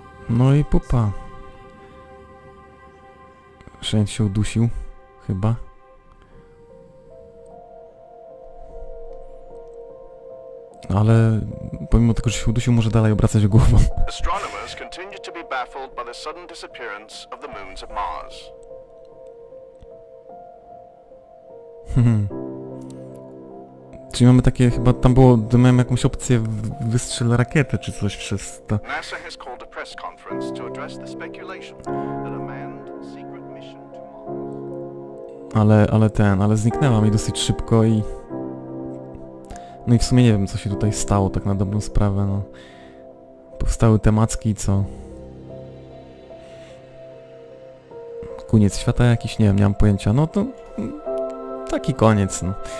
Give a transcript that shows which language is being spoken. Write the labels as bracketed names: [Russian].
[Polish] No i pupa. Szczęść się udusił, chyba. Ale pomimo tego, że się udusił, może dalej obracać głową. [English] Astronomers continue to be baffled by the sudden disappearance of the moons of Mars. [Polish] Czyli mamy takie, chyba tam było, miałem jakąś opcję wystrzelić rakietę czy coś przez to. [English] NASA has called a press conference to address the speculation that a manned secret mission to Mars. [Polish] Ale zniknęła mi dosyć szybko i... No i w sumie nie wiem, co się tutaj stało, tak na dobrą sprawę, no. Powstały te macki i co? Koniec świata jakiś, nie wiem, nie mam pojęcia, no to... Taki koniec, no.